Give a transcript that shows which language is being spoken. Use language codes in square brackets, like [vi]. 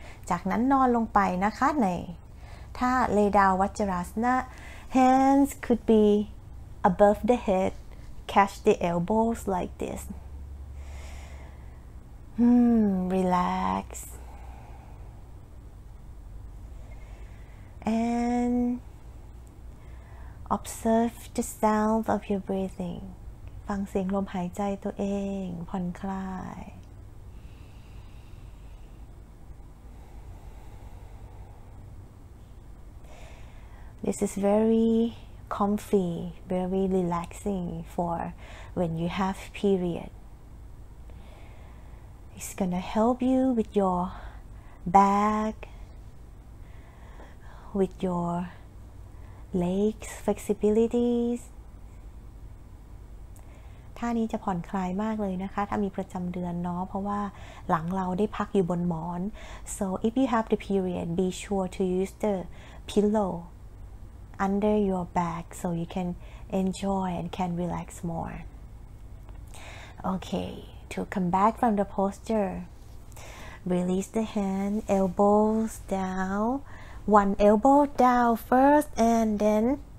[th] จากนั้นนอนลงไปนะคะในท่า lay down Vajrasana. [en] Hands could be above the head, catch the elbows like this. Relax. And observe the sound of your breathing. [th] ฟังเสียงลมหายใจตัวเองผ่อนคลาย [en] This is very comfy, very relaxing for when you have period. It's gonna help you with your back, with your legs flexibilities. [th] ท่านี้จะผ่อนคลายมากเลยนะคะถ้ามีประจำเดือนเนาะเพราะว่าหลังเราได้พักอยู่บนหมอน [en] So if you have the period, be sure to use the pillow. Under your back, so you can enjoy and can relax more. Okay, to come back from the posture, release the hand, elbows down, one elbow down first, and then